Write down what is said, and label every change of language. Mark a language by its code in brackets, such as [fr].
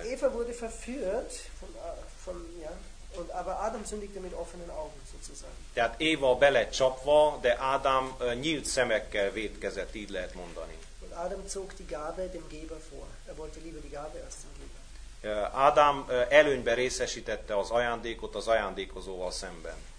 [de] Eva wurde verführt von ja, und aber Adam sündigte mit offenen Augen sozusagen. [hu] Tehát Eva belecsapva, de Ádám nyílt szemekkel vétkezett, így lehet mondani. [de] Und Adam zog die Gabe dem Geber vor. Er wollte lieber die Gabe als den Geber. [hu] Ádám előnybe részesítette az ajándékot az ajándékozóval szemben.